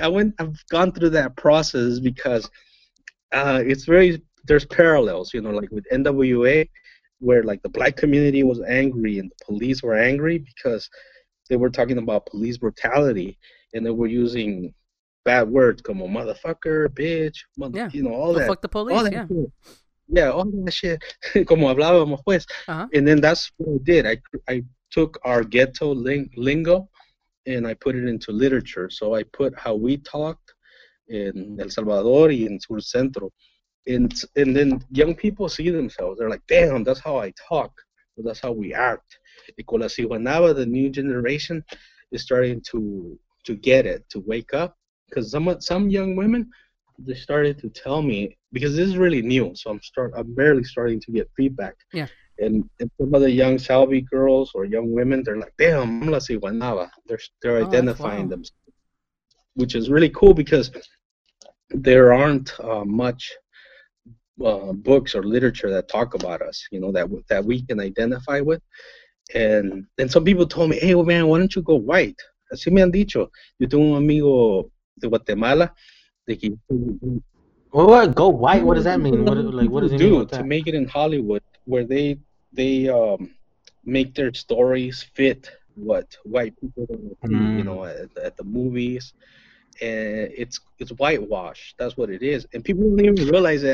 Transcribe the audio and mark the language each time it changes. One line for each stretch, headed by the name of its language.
English: I've gone through that process because it's very. There's parallels, you know, like with NWA, where like the black community was angry and the police were angry because they were talking about police brutality and they were using bad words como motherfucker, bitch, mother, yeah. You know, all that. Fuck the police, all that shit. Yeah, all that shit,
Spanish: como hablábamos pues.
English: Uh-huh. And then that's what I did. I took our ghetto lingo and I put it into literature. So I put how we talked in El Salvador
Spanish: y en Sur Centro.
English: And then young people see themselves. They're like, damn, that's how I talk. Well, that's how we act.
Spanish: Y con la Sihuanaba,
English: the new generation is starting to get it, to wake up. Because some young women, they started to tell me, because this is really new, so I'm barely starting to get feedback. Yeah. And some of the young Salvi girls or young women, they're like, damn, I'm la Sihuanaba. They're identifying themselves, which is really cool because there aren't much books or literature that talk about us, you know, that we can identify with. And some people told me, hey, well, man, why don't you go white?
Spanish: Así me han dicho. Yo tengo un amigo de Guatemala.
English: What? Go white? What does that mean? What does it do mean to make it in Hollywood where they make their stories fit what white people you know, at the movies. And it's whitewash. That's what it is. And people don't even realize it.